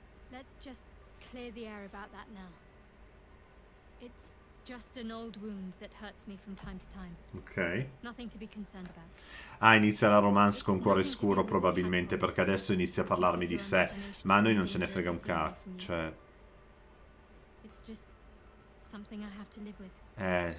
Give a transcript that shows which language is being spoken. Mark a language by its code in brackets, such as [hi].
[en] Let's just clear the air about that now. It's just an old wound that hurts me from time to time. Okay. Nothing to be concerned about. [it] Ah, inizia la romance con Cuore Scuro probabilmente, perché adesso inizia a parlarmi di sé, ma a noi non ce ne frega un cazzo, cioè. [en] It's just something I have to live with.